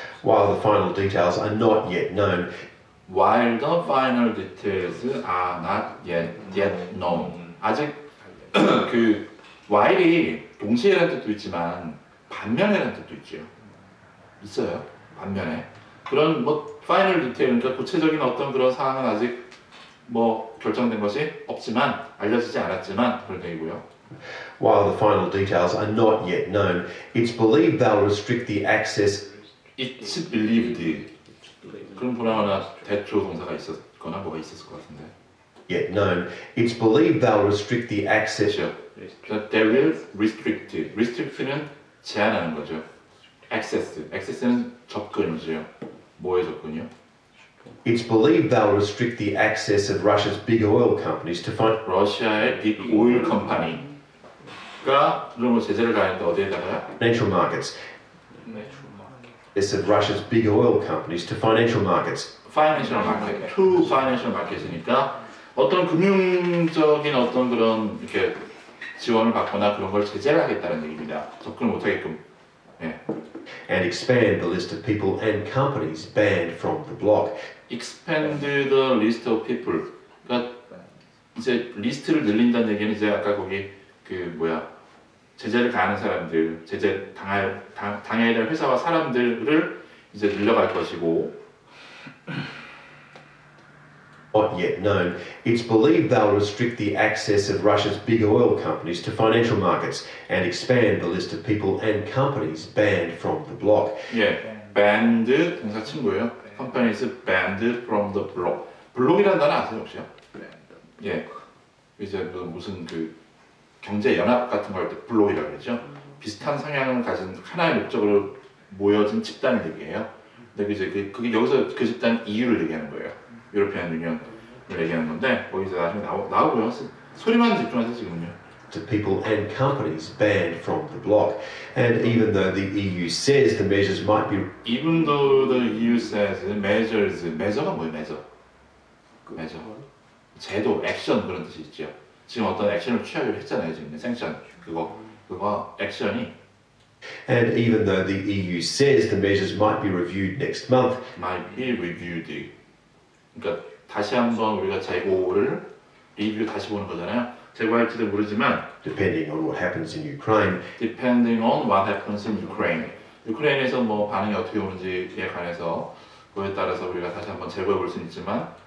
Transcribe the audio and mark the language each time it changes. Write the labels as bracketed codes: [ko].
[en] While the final details are not yet known. While the final details are not yet known. [ko] 아직 그 while이 동시에라는 뜻도 있지만 반면에라는 뜻도 있죠. 있어요. 반면에 그런 뭐 final detail 그러니까 구체적인 어떤 그런 사항은 아직 뭐 결정된 것이 없지만 알려지지 않았지만 그런 얘기고요. [en] While the final details are not yet known, it's believed they'll restrict the access. It's believed. [ko] 그런 불안하나 대초 동사가 있었거나 뭐가 있었을 것 같은데. [en] Yet known, it's believed they'll restrict the access. They will restrict. Restrict는 제한하는 거죠. Access. Access는 접근이죠. 뭐의 접근이요? It's believed they'll restrict the access of Russia's big oil companies to find. [ko] 러시아의 big oil company가 그런 거 제재를 가했다 어디에다가? [en] Natural markets. Natural markets. It's of Russia's big oil companies to financial markets. [ko] Financial market. [en] To financial markets [ko] 니까 어떤 금융적인 어떤 그런 이렇게 지원을 받거나 그런 걸 제재를 하겠다는 얘기입니다. 접근을 못하게끔. 예. [en] And expand the list of people and companies banned from the block. Expand the list of people. [ko] 그러니까 이제 리스트를 늘린다는 얘기는 이제 아까 거기 그 뭐야 제재를 가하는 사람들, 제재 당해야 될 회사와 사람들을 이제 늘려갈 것이고. [en] Not yet known. It's believed they'll restrict the access of Russia's big oil companies to financial markets and expand the list of people and companies banned from the block. Yeah, banned. [ko] 동사 친구예요. [en] Companies banned from the block. [ko] Block이라는 단어 아세요 혹시요? [en] Yeah. [ko] 이제 무슨 그 경제 연합 같은 거 할 때 block이라고 그러죠. 비슷한 성향을 가진 하나의 목적으로 모여진 집단을 얘기해요. 근데 이제 그게 여기서 그 집단 이유를 얘기하는 거예요. 유럽의 유니언을 얘기하는 건데 거기서 나중에 나오고요. 소리만 집중하세요 지금요. [en] To people and companies banned from the block, and even though the EU says the measures might be, even though the EU says measures, [ko] measure가 뭐예요? Measure. 제도, action 그런 뜻이 있죠. 지금 어떤 action을 취하기로 했잖아요 지금. Sanction 그거 action이. [en] And even though the EU says the measures might be reviewed next month, might be reviewed. [ko] 그러니까 다시 한번 우리가 재고를 리뷰 다시 보는 거잖아요. 재고할지도 모르지만 [en] depending on what happens in Ukraine. Depending on what happens in Ukraine. [ko] 우크라이나에서 뭐 반응이 어떻게 오는지에 관해서 그에 따라서 우리가 다시 한번 재고해 볼 수 있지만